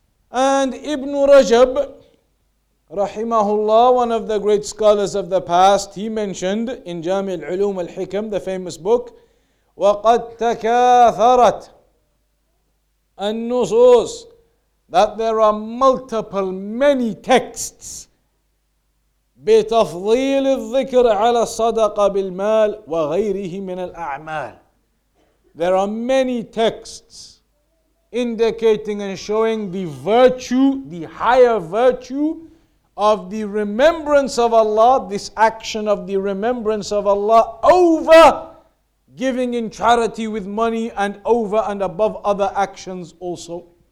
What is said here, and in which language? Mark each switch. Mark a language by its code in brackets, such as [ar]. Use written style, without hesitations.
[en] And Ibn Rajab, rahimahullah, one of the great scholars of the past, he mentioned in Jami' al-Ulum al-Hikam, the famous book, [ar] وَقَدْ تَكَاثَرَتْ النُّصُوصُ, [en] that there are multiple, many texts [ar] بتفضيل الذكر على الصدقة بالمال وغيره من الأعمال. [en] There are many texts indicating and showing the virtue, the higher virtue of the remembrance of Allah, this action of the remembrance of Allah over giving in charity with money and over and above other actions also.